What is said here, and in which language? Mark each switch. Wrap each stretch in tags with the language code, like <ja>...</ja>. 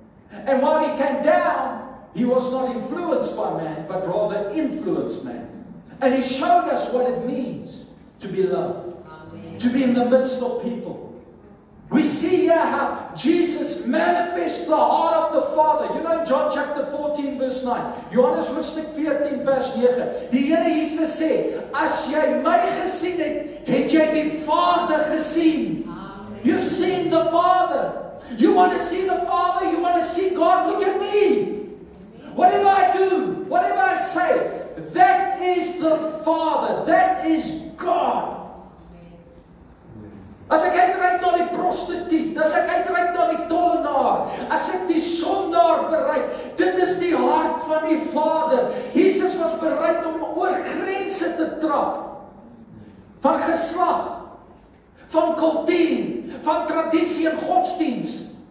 <en>And while he came down, he was not influenced by man, but rather influenced man. And he showed us what it means to be loved, to be in the midst of people. We see here how Jesus manifests the heart of the Father. You know, John chapter 14, verse 9.</en> <af>Johannes hoofstuk 14, vers 9. Die Here Jesus sê, as jy my gesien het, het jy die Vader gesien. Amen.</af> <en>You've seen the Father. You want to see the Father? You want to see God? Look at me. Whatever I do, whatever I say, that is the Father. That is God.</en> <af>As ek uitreik na die prostituut, as ek uitreik na die tollenaar, as ek die sondaar bereik, dit is die hart van die Vader. Jesus was bereid om oor grense te trap. Van geslag, van kultuur, van traditie en godsdienst.</af>